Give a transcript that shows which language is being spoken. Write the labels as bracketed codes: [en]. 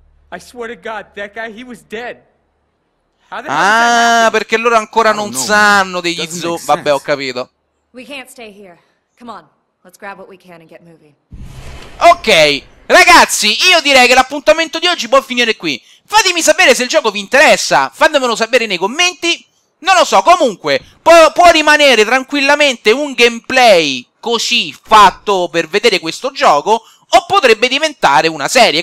[en] I swear to God, that guy, he was dead. [it] Ah, perché loro ancora non sanno degli zombie. Vabbè, ho capito. [en] We can't stay here. Come on, let's grab what we can and get moving. [it] Ok, ragazzi, io direi che l'appuntamento di oggi può finire qui. Fatemi sapere se il gioco vi interessa. Fatemelo sapere nei commenti. Non lo so, comunque, può rimanere tranquillamente un gameplay così fatto per vedere questo gioco, o potrebbe diventare una serie.